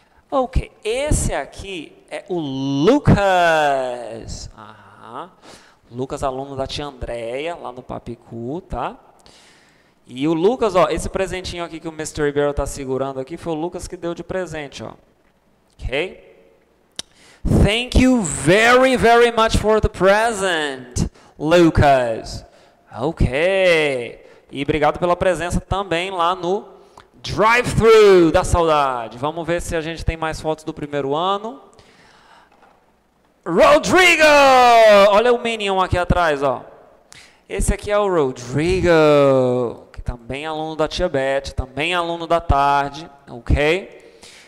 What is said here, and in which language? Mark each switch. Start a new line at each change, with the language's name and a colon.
Portuguese: Ok, esse aqui é o Lucas. Aham. Lucas, aluno da tia Andréia, lá no Papicu, tá? E o Lucas, ó, esse presentinho aqui que o Mr. Ribeiro tá segurando aqui, foi o Lucas que deu de presente, ó. Ok?
English: Thank you very, very much for the present, Lucas.
Portuguese: Ok. E obrigado pela presença também lá no drive-thru da saudade. Vamos ver se a gente tem mais fotos do primeiro ano. Rodrigo! Olha o Minion aqui atrás, ó. Esse aqui é o Rodrigo, que também é aluno da tia Beth, também é aluno da tarde, ok?